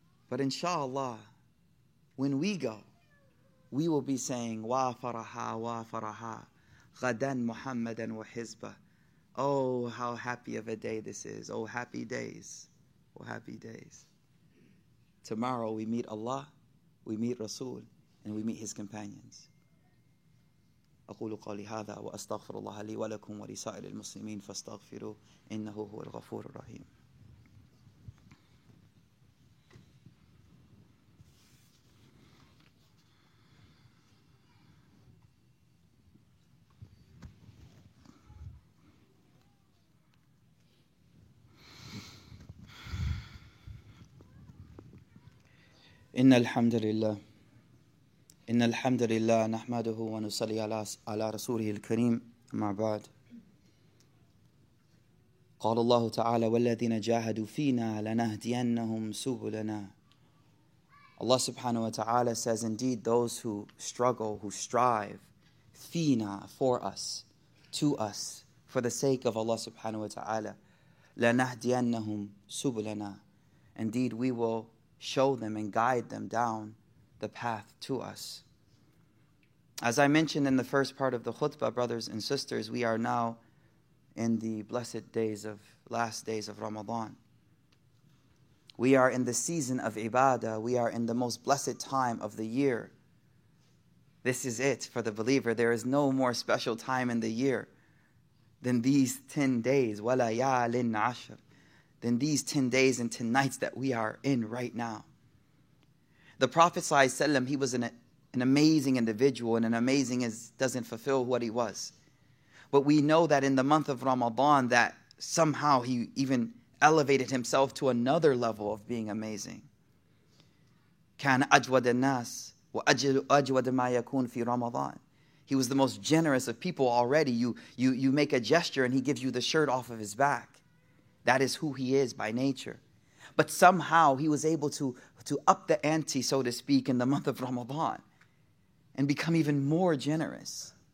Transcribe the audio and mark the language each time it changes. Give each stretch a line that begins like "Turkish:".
English: But inshallah, when we go, we will be saying,
Arabic: wa faraha, wa faraha, ghadan Muhammadan wa hizba.
English: Oh, how happy of a day this is. Oh, happy days. Oh, happy days. Tomorrow we meet Allah, we meet Rasul, and we meet his companions.
Arabic: أقول قولي هذا وأستغفر الله لي ولكم ولسائر المسلمين فاستغفروا إنه هو الغفور الرحيم. إن الحمد لله إن الحمد لله نحمده ونصلي على رسوله الكريم أما بعد قال الله تعالى والذين جاهدوا فينا لنهدينهم سبلنا.
English: Allah subhanahu wa ta'ala says, indeed those who struggle, who strive,
Arabic: فينا,
English: for us, to us, for the sake of Allah subhanahu wa ta'ala,
Arabic: لنهدينهم سبلنا,
English: indeed we will show them and guide them down the path to us. As I mentioned in the first part of the khutbah, brothers and sisters, we are now in the blessed days of, last days of Ramadan. We are in the season of ibadah. We are in the most blessed time of the year. This is it for the believer. There is no more special time in the year than these 10 days,
Arabic: wa layalin ashr,
English: than these 10 days and 10 nights that we are in right now. The Prophet ﷺ, he was an amazing individual, and an amazing is doesn't fulfill what he was. But we know that in the month of Ramadan that somehow he even elevated himself to another level of being amazing.
Arabic: كان أجود الناس وأجود ما يكون في رمضان.
English: He was the most generous of people already. You make a gesture and he gives you the shirt off of his back. That is who he is by nature. But somehow he was able to up the ante, so to speak, in the month of Ramadan and become even more generous.